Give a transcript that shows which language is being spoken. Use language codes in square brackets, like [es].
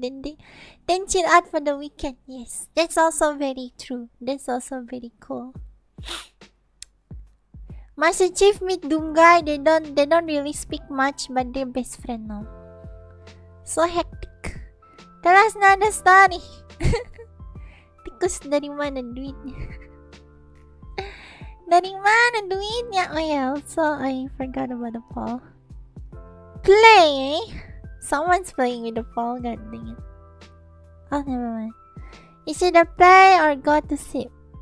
[en] Then chill out for the weekend. Yes, that's also very true. That's also very cool. Master Chief meet Dunga. They don't really speak much, but they're best friend now. So hectic. Tell us another story. [ms] Tikus dari mana duitnya? Dari mana duitnya? [en] Oh yeah, also I forgot about the poll. Play, eh? Someone's playing with the poll, god dang it. Oh, never mind. Is it a play or go to sleep?